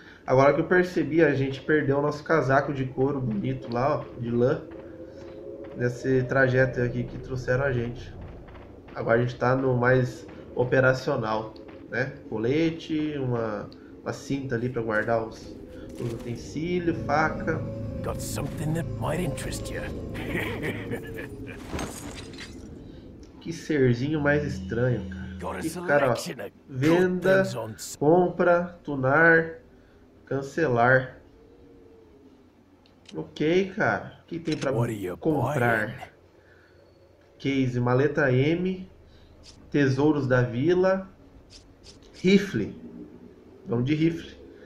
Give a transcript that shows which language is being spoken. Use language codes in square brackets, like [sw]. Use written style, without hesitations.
[pt] Agora que eu percebi, a gente perdeu o nosso casaco de couro bonito lá, ó, de lã. Nesse trajeto aqui que trouxeram a gente. Agora a gente tá no mais operacional, né? Colete, uma cinta ali pra guardar os utensílios, faca. [en] Got something that might interest you. [pt] Que serzinho mais estranho, cara. Que cara, ó, venda, compra, tunar, cancelar. Ok, cara. O que tem pra comprar? Case, maleta M, tesouros da vila, rifle. Vamos de rifle.